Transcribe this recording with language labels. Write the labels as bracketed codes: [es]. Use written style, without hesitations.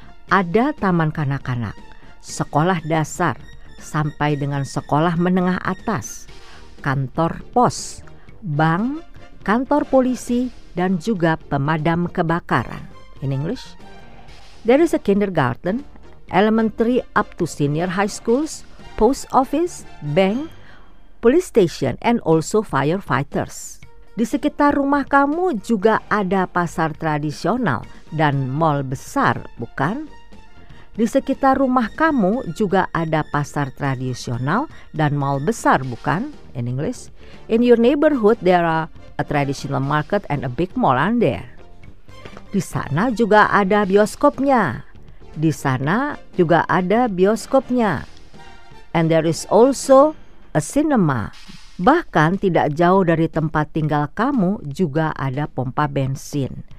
[id] Ada taman kanak-kanak, sekolah dasar sampai dengan sekolah menengah atas, kantor pos, bank, kantor polisi, dan juga pemadam kebakaran. [en] In English, there is a kindergarten, elementary up to senior high schools, post office, bank, police station, and also firefighters. [id] Di sekitar rumah kamu juga ada pasar tradisional dan mall besar, bukan? Di sekitar rumah kamu juga ada pasar tradisional dan mall besar, bukan? [en] In English, in your neighborhood there are a traditional market and a big mall on there. [id] Di sana juga ada bioskopnya. Di sana juga ada bioskopnya. [en] And there is also a cinema. [id] Bahkan tidak jauh dari tempat tinggal kamu juga ada pompa bensin.